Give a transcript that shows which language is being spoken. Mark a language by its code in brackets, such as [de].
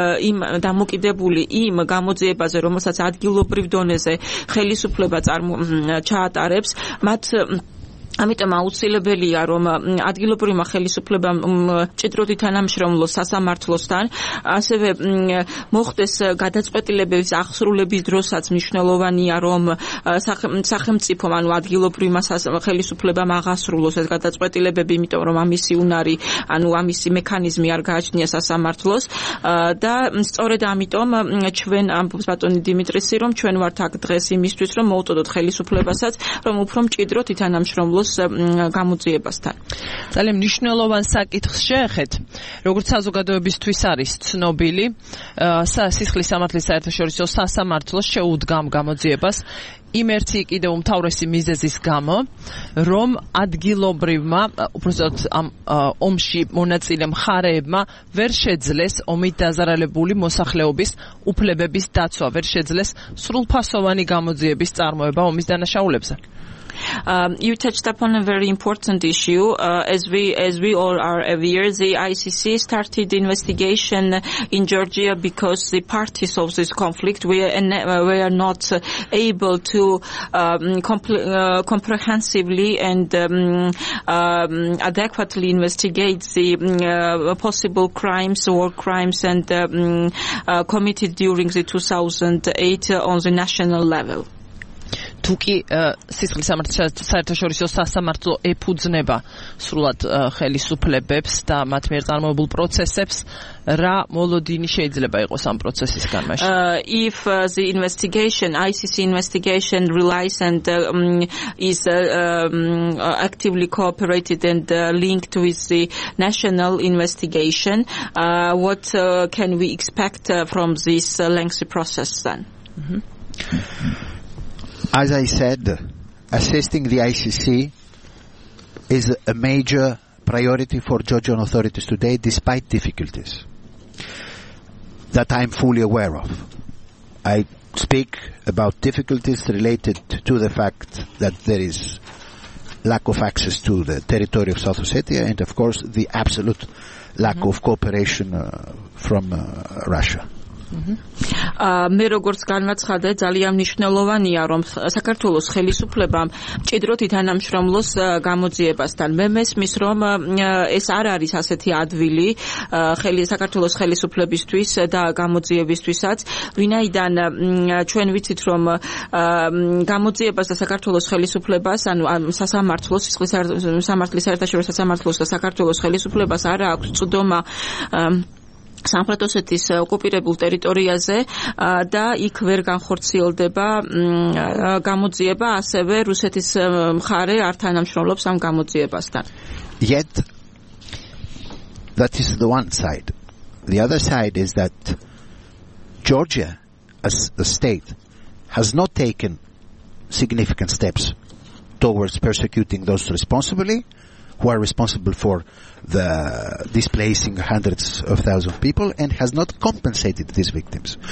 [ka] იმ დამოკიდებული იმ გამოძიებაზე, რომელსაც ადგილობრივ დონეზე ხელისუფლება ჩაატარებს, მათ ამიტომ აუცილებელია, რომ ადგილობრივმა ხელისუფლებამ მჭიდროდ ითანამშრომლოს სასამართლოსთან, ასევე მოხდეს გადაწყვეტილებების აღსრულების დროსაც მნიშვნელოვანია, რომ სახელმწიფომ, ანუ ადგილობრივმა ხელისუფლებამ აღასრულოს ეს გადაწყვეტილებები, იმიტომ რომ ამისი უნარი, ანუ ამისი მექანიზმი არ გააჩნია სასამართლოს. და სწორედ ამიტომ ჩვენ ამბობს ბატონი დიმიტრისი, რომ ჩვენ ვართ აქ დღეს იმისთვის, რომ მოუწოდოთ ხელისუფლებასაც, რომ უფრო მჭიდროდ ითანამშრომლოს მოს გამოძიებასთან. ძალიან მნიშვნელოვან საკითხს შეეხეთ. როგორც საზოგადოებისთვის არის ცნობილი, სისხლის სამართლის საერთაშორისო სასამართლოს შეუდგამ გამოძიებას იმ ერთი კიდევ უმთავრესი მიზეზის გამო, რომ ადგილობრივმა, უბრალოდ ამ ომში მონაწილე მხარეებმა ვერ შეძლეს ომით დაზარალებული მოსახლეობის უფლებების დაცვა, ვერ შეძლეს სრულფასოვანი გამოძიების წარმოება ომის დანაშაულებზე. [en] You touched upon a very important issue. As we all are aware, the ICC started the investigation in Georgia because the parties of this conflict were not able to comprehensively and adequately investigate the possible crimes, war crimes, and committed during the 2008 on the national level. [ka] თუკი სისხლის სამართლის საერთაშორისო სასამართლო ეფუძნება სრულად ხელისუფლებებს და მათ მიერ წარმოებულ პროცესებს, რა მოლოდინი შეიძლება იყოს ამ პროცესის განმავლობაში? [en] If the investigation, ICC investigation relies and is actively cooperated and linked with the national investigation, what can we expect from this lengthy process then? As I said, assisting the ICC is a major priority for Georgian authorities today, despite difficulties that I am fully aware of. I speak about difficulties related to the fact that there is lack of access to the territory of South Ossetia and, of course, the absolute lack of cooperation from Russia. [ka] მე როგორც განაცხადე, ძალიან მნიშვნელოვანია, რომ საქართველოს ხელისუფლებამ მჭიდროდ ითანამშრომლოს გამოძიებასთან. მე მესმის, რომ ეს არ არის ასეთი ადვილი საქართველოს ხელისუფლებისთვის და გამოძიებისთვისაც, ვინაიდან ჩვენ ვიცით, რომ გამოძიებას და საქართველოს ხელისუფლებას, ანუ სასამართლოს, სისხლის სამართლის საერთაშორისო სასამართლოს და საქართველოს ხელისუფლებას არ აქვს წვდომა სამხრეთ ოსეთის ოკუპირებულ ტერიტორიაზე და იქ ვერ განხორციელდება გამოძიება, ასევე რუსეთის მხარე არ თანამშრომლობს ამ გამოძიებასთან. [en] Yet that is the one side. The other side is that Georgia as a state has not taken significant steps towards persecuting those responsible, who are responsible for the displacing hundreds of thousands of people, and has not compensated these victims.